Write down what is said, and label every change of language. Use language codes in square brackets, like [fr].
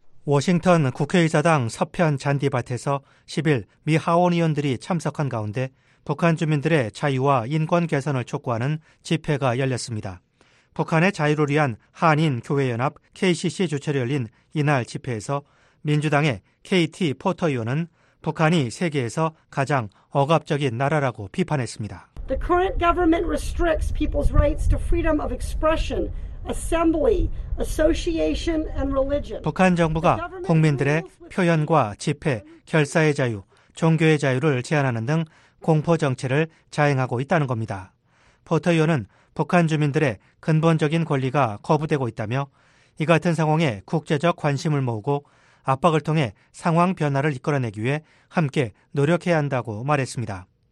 [ko] 워싱턴 국회의사당 서편 잔디밭에서 10일 미 하원 의원들이 참석한 가운데 북한 주민들의 자유와 인권 개선을 촉구하는 집회가 열렸습니다. 북한의 자유를 위한 한인교회연합 KCC 주최로 열린 이날 집회에서 민주당의 KT 포터 의원은 북한이 세계에서 가장 억압적인 나라라고 비판했습니다. [en] The current government restricts people's rights to freedom of expression, assembly, association, and religion. [ko] 북한 정부가 국민들의 표현과 집회, 결사의 자유, 종교의 자유를 제한하는 등 공포 정책을 자행하고 있다는 겁니다. 포터 의원은 북한 주민들의 근본적인 권리가 거부되고 있다며 이 같은 상황에 국제적 관심을 모으고 압박을 통해 상황 변화를 이끌어내기 위해 함께 노력해야 한다고 말했습니다.